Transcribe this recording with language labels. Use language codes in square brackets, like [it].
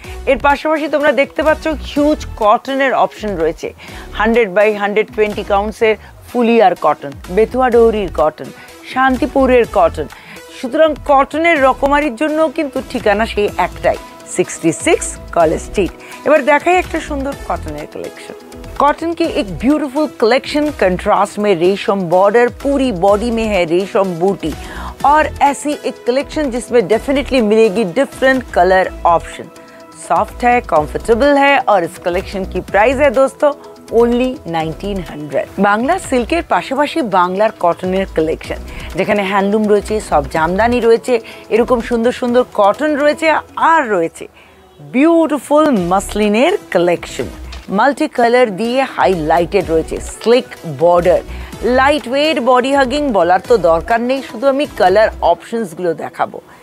[bn] এর পাশাপাশি তোমরা দেখতে পাচ্ছ হিউজ কটনের অপশন রয়েছে, 100x120 কাউন্টসের ফুলিয়ার কটন, বেথুয়া ডৌরির কটন, শান্তিপুরের কটন। সুতরাং কটনের রকমারির জন্য কিন্তু ঠিকানা সেই একটাই, 66 কলেজ স্ট্রিট। এবার দেখাই একটা সুন্দর কটনের কালেকশন। [hi] कॉटन की एक ब्यूटीफुल कलेक्शन, कंट्रास्ट में रेशम बॉर्डर, पूरी बॉडी में है रेशम बूटी और ऐसी एक कलेक्शन जिसमें डेफिनेटली मिलेगी डिफरेंट कलर ऑप्शन। सॉफ्ट है, कंफर्टेबल है और इस कलेक्शन की प्राइस है दोस्तों ओनली 1900। [bn] বাংলা সিল্কের পাশাপাশি বাংলার কটনের কালেকশন, যেখানে হ্যান্ডলুম রয়েছে, সব জামদানি রয়েছে, এরকম সুন্দর সুন্দর কটন রয়েছে, আর রয়েছে বিউটিফুল মাসলিনের কালেকশন। মাল্টি কালার দিয়ে হাইলাইটেড রয়েছে, slick border, light weight body hugging বলার তো দরকার নেই, শুধু আমি কালার অপশনসগুলো দেখাবো।